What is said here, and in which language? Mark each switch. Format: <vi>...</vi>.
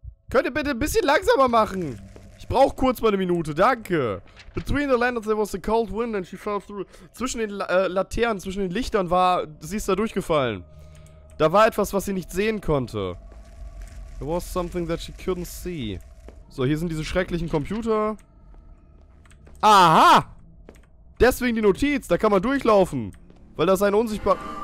<de>Könnt ihr bitte ein bisschen langsamer machen? Ich brauche kurz mal eine Minute, danke.</de> <en>Between the lanterns there was a cold wind and she fell through.</en> <de>Zwischen den Laternen, zwischen den Lichtern war, sie ist da durchgefallen. Da war etwas, was sie nicht sehen konnte.</de> <en>There was something that she couldn't see.</en> <de>So, hier sind diese schrecklichen Computer. Aha! Deswegen die Notiz, da kann man durchlaufen. Weil das ein unsichtbar...</de>